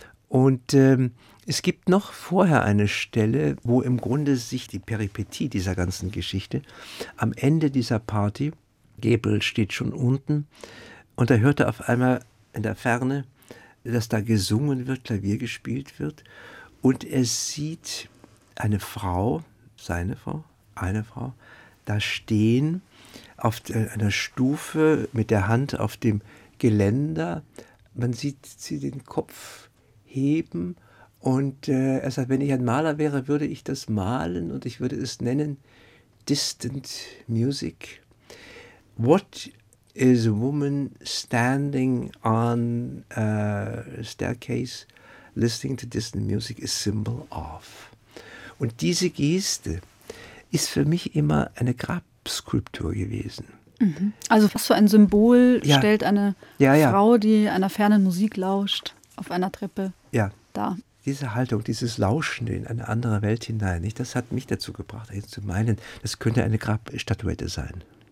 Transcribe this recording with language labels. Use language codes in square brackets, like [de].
[de] Und es gibt noch vorher eine Stelle, wo im Grunde sich die Peripetie dieser ganzen Geschichte am Ende dieser Party, Gabriel steht schon unten, und da hört er auf einmal in der Ferne, dass da gesungen wird, Klavier gespielt wird und er sieht eine Frau, seine Frau, eine Frau, da stehen auf einer Stufe mit der Hand auf dem Geländer. Man sieht sie den Kopf heben und er sagt, wenn ich ein Maler wäre, würde ich das malen und ich würde es nennen Distant Music. [en] What is a woman standing on a staircase listening to distant music a symbol of? [de] Und diese Geste ist für mich immer eine Grabskulptur gewesen. Also was für ein Symbol stellt eine Frau, die einer fernen Musik lauscht? auf einer Treppe. Ja. Da. Diese Haltung, dieses Lauschen in eine andere Welt hinein, nicht, das hat mich dazu gebracht, zu meinen, das könnte eine Grabstatuette sein.